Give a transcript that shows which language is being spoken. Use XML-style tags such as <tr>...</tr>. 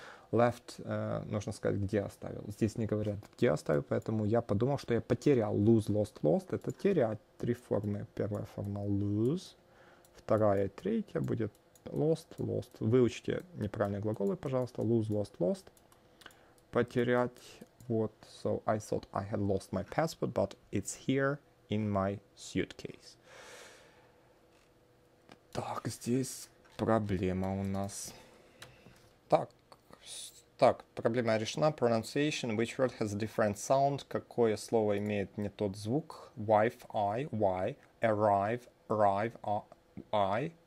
<ru>Left, нужно сказать, где оставил. Здесь не говорят, где оставил, поэтому я подумал, что я потерял. Lose, lost, lost. Это терять. Три формы. Первая форма lose. Вторая и третья будет lost, lost. Выучите неправильные глаголы, пожалуйста. Lose, lost, lost. Потерять. Вот.</ru> <en>So I thought I had lost my passport, but it's here in my suitcase.</en> <ru>Так, здесь проблема у нас. Так. Так, проблема решена. Pronunciation.</ru> <en>Which word has a different sound?</en> <ru>Какое слово имеет не тот звук?</ru> <en>Wife, I, why. Arrive, arrive, I,</en>